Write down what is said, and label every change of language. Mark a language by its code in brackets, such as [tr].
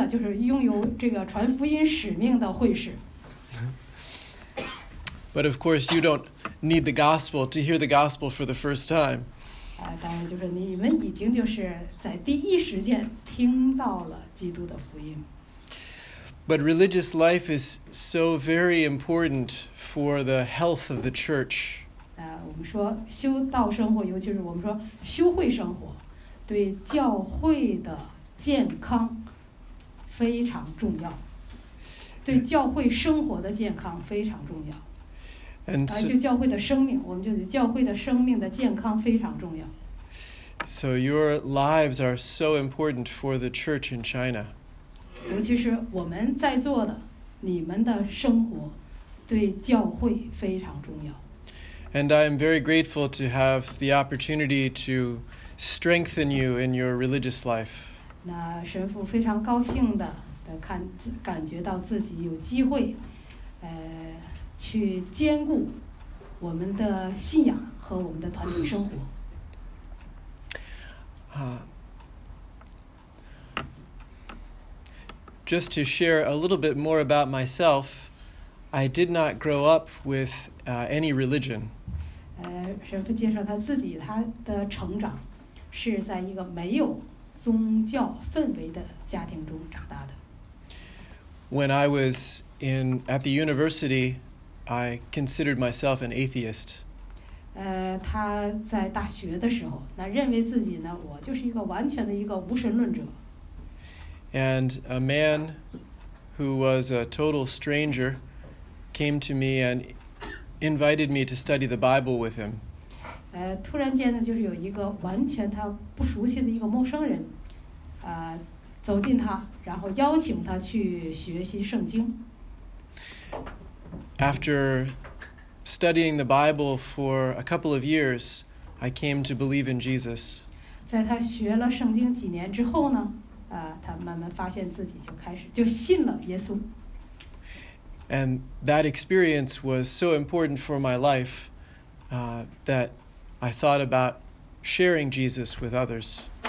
[zh] 所以说他说我称自己呢也是一个传福音的，就是拥有这个传福音使命的会士。 [en] But of course, you don't need the gospel to hear the gospel for the first time. [zh] 当然就是你们已经就是在第一时间听到了基督的福音。 [en] But religious life is so very important for the health of the church. [zh] 我们说修道生活，尤其是我们说修会生活，对教会的健康非常重要。对教会生活的健康非常重要。 [en] So your lives are so important for the church in China. [zh] 尤其是我们在座的，你们的生活对教会非常重要。 [en] And I am very grateful to have the opportunity to strengthen you in your religious life. [zh] 那神父非常高兴的看感觉到自己有机会去兼顾我们的信仰和我们的团体生活。 [en] Just to share a little bit more about myself, I did not grow up with any religion. [zh] 神父介绍他自己，他的成长是在一个没有宗教氛围的家庭中长大的。 [en] When I was at the university, I considered myself an atheist. [zh] 他在大学的时候，那认为自己呢，我就是一个完全的一个无神论者。 [en] And a man who was a total stranger came to me and invited me to study the Bible with him. [zh] 突然间呢，就是有一个完全他不熟悉的一个陌生人，走近他，然后邀请他去学习圣经。 [en] After studying the Bible for a couple of years, I came to believe in Jesus. [zh] 在他学了圣经几年之后呢？他慢慢发现自己就开始就信了耶稣。 [en] And that experience was so important for my life, that I thought about sharing Jesus with others.